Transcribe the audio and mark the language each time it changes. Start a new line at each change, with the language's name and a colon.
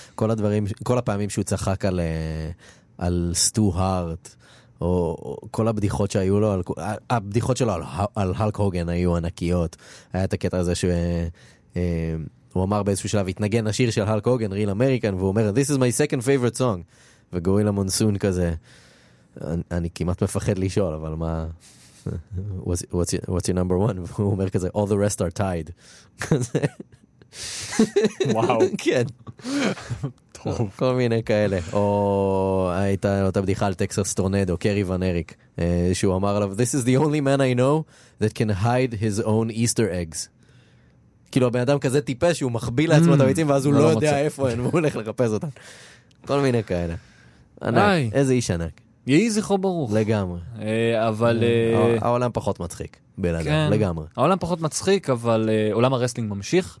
Hebrew: כל הדברים, כל הפעמים שהוא צחק על סטו הארט, או כל הבדיחות שהיו לו, הבדיחות שלו על הלק הוגן היו ענקיות. היה את הקטע הזה שהוא אמר באיזשהו שלב, התנגן השיר של הלק הוגן, Real American, והוא אומר,
English: "This is my second favorite song."
Hebrew: וגורילה מונסון כזה, אני כמעט מפחד לשאול, אבל מה,
English: what's your number one?
Hebrew: והוא אומר כזה,
English: "All the rest are tied."
Hebrew: כזה. וואו, כן, כל מיני כאלה. או הייתה אותה בדיחה על טקסס טורנדו, קרי ון אריק, שהוא אמר עליו,
English: "This is the only man I know that can hide his own Easter eggs."
Hebrew: כאילו הבן אדם כזה טיפה שהוא מכביל לעצמו את הביצים ואז הוא לא יודע איפה הן והוא הולך לחפש אותן. כל מיני כאלה. ענק, איזה איש ענק, יהי זכרו ברוך. לגמרי. אבל העולם פחות מצחיק בלעדיו, לגמרי. העולם פחות מצחיק, אבל עולם הרסלינג ממשיך.